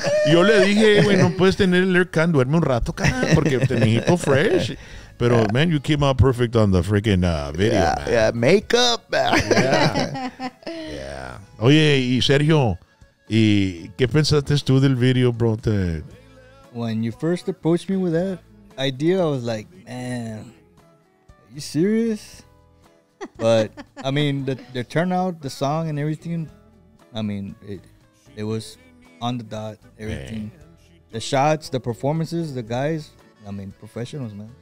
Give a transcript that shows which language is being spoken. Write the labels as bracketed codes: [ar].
[es] Yo le dije, güey, no puedes tener el air con, duerme un rato, cara, porque te necesito fresh. [en] But yeah. Man, you came out perfect on the freaking video. Yeah, man. Yeah, makeup. Man. Yeah. Yeah. [es] Oye, y Sergio, ¿y qué pensaste tú del video, bro? [en] When you first approached me with that idea, I was like, man, are you serious? But, I mean, the turnout, the song and everything, I mean, it was on the dot, everything. Man. The shots, the performances, the guys. I mean, professionals, man.